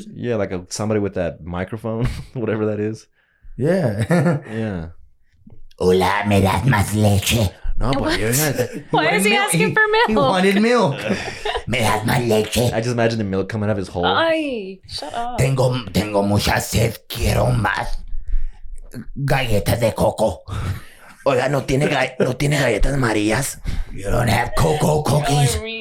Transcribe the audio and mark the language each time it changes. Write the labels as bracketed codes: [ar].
[en] Yeah, like somebody with that microphone, whatever that is. Yeah. Yeah. [es] Hola, me das más leche. [en] No, but you're not. Why is he asking for milk? He wanted milk. [es] Me das más leche. [en] I just imagine the milk coming out of his hole. Ay, shut up. [es] Tengo mucha sed. Quiero más galletas de coco. Oiga, no tiene galletas marías. [en] You don't have cocoa cookies.